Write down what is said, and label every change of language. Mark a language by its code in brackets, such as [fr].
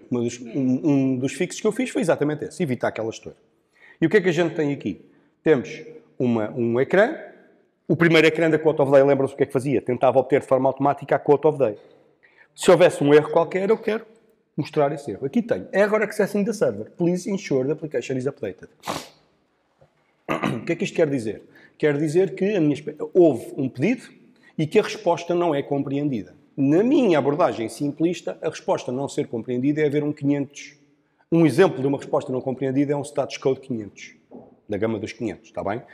[pt] Um dos fixes que eu fiz foi exatamente esse, evitar que ela estoure. E o que é que a gente tem aqui? Temos um ecrã. O primeiro ecrã da Quote of Day, lembram-se o que é que fazia? Tentava obter de forma automática a Quote of Day. Se houvesse um erro qualquer, eu quero mostrar esse erro. Aqui tenho. [en] Error accessing the server. Please ensure the application is updated. [pt] O que é que isto quer dizer? Quer dizer que houve um pedido e que a resposta não é compreendida. Na minha abordagem simplista, a resposta não ser compreendida é haver um 500. Um exemplo de uma resposta não compreendida é um status code 500, da gama dos 500, está bem?